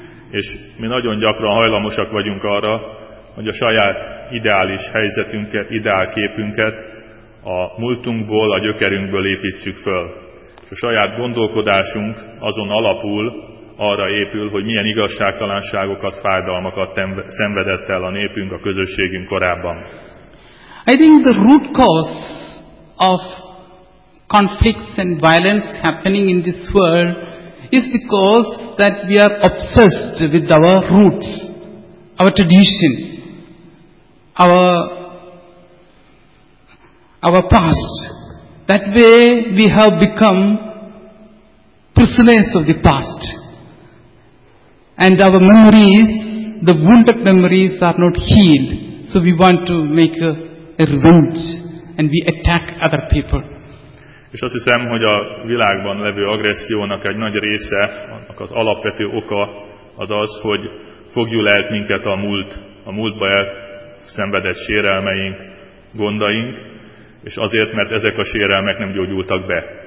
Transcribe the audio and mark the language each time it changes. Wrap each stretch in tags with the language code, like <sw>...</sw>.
<hu>És mi nagyon gyakran hajlamosak vagyunk arra, hogy a saját ideális helyzetünket, ideálképünket a múltunkból, a gyökerünkből építsük föl. A saját gondolkodásunk azon alapul, arra épül, hogy milyen igazságtalanságokat, fájdalmakat szenvedett el a népünk, a közösségünk korábban.</hu> <en>I think the root cause of conflicts and violence happening in this world is because that we are obsessed with our roots, our tradition, our past. That way we have become prisoners of the past, and our memories, the wounded memories, are not healed. So we want to make a revenge, and we attack other people.</en> <hu>És azt hiszem, hogy a világban levő agressziónak egy nagy része, annak az alapvető oka az az, hogy fogjul el minket a múltba elszenvedett sérelmeink, gondaink, és azért, mert ezek a sérelmek nem gyógyultak be.</hu>